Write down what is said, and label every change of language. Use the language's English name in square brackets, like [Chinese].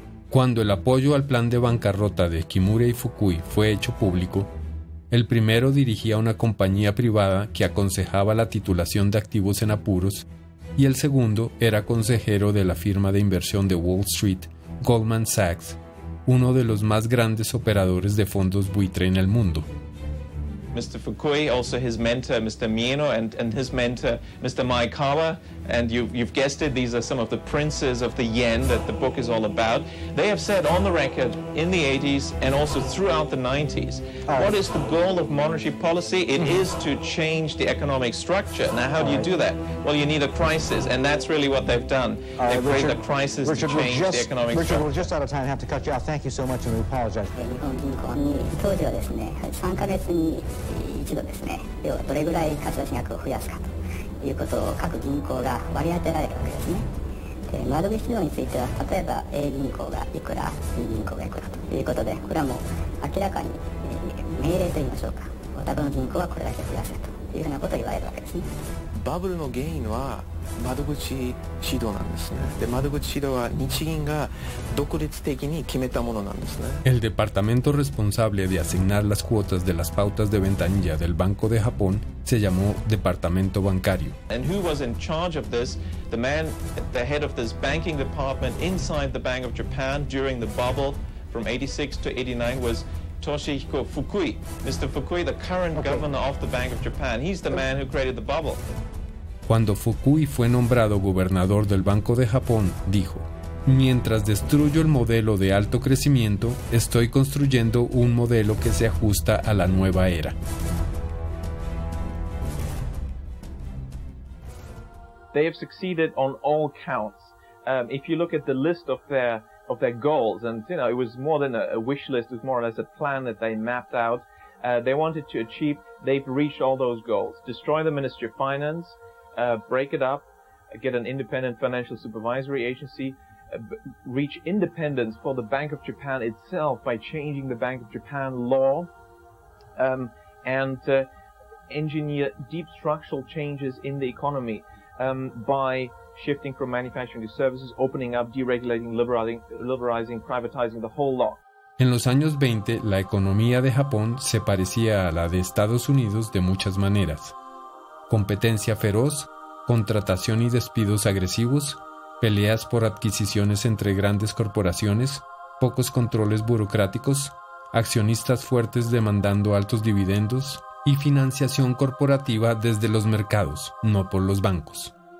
[Spanish] Cuando el apoyo al plan de bancarrota de Kimura y Fukui fue hecho público, el primero dirigía una compañía privada que aconsejaba la titulación de activos en apuros, y el segundo era consejero de la firma de inversión de Wall Street, Goldman Sachs, uno de los más grandes operadores de fondos buitre en el mundo. [English] Mr. Fukui, also his mentor, Mr. Mieno, and his mentor, Mr. Maekawa, and you've guessed it, these are some of the princes of the yen that the book is all about. They have said on the record in the 80s and also throughout the 90s, what is the goal of monetary policy? It is to change the economic structure. Now, how do you do that? Well, you need a crisis, and that's really what they've done. They've created a crisis to change the economic structure. Richard, we're just out of time. I have to cut you off. Thank you so much, and we apologize. [Japanese] ということですね。要はどれぐらい活動しなく増やすかということを各銀行が割り当てられるわけですね。で、窓口のようについては、例えば A 銀行がいくら、B 銀行がいくらということで、これはもう明らかに命令といいましょうか。他の銀行はこれだけ増やせと。というふうなことを言われるわけですね。バブルの原因は窓口指導なんですね。で、窓口指導は日銀が独立的に決めたものなんですね。 [Spanish] El departamento responsable de asignar las cuotas de las pautas de ventanilla del Banco de Japón se llamó Departamento Bancario. [English] And who was in charge of this? The man at the head of this banking department inside the Bank of Japan during the bubble from 86 to 89 was Toshihiko Fukui. Mr. Fukui, the current governor of the Bank of Japan, he's the man who created the bubble. [Spanish] Cuando Fukui fue nombrado gobernador del Banco de Japón, dijo: "Mientras destruyo el modelo de alto crecimiento, estoy construyendo un modelo que se ajusta a la nueva era." [English] They have succeeded on all counts. If you look at the list of their goals, and you know, it was more than a wish list, it was more or less a plan that they mapped out. They wanted to achieve, they've reached all those goals. Destroy the Ministry of Finance, break it up, get an independent financial supervisory agency, reach independence for the Bank of Japan itself by changing the Bank of Japan law, and engineer deep structural changes in the economy by shifting from manufacturing to services, opening up, deregulating, liberalizing, privatizing the whole lot. [Spanish] En los años 20, la economía de Japón se parecía a la de Estados Unidos de muchas maneras. Competencia feroz, contratación y despidos agresivos, peleas por adquisiciones entre grandes corporaciones, pocos controles burocráticos, accionistas fuertes demandando altos dividendos y financiación corporativa desde los mercados, no por los bancos.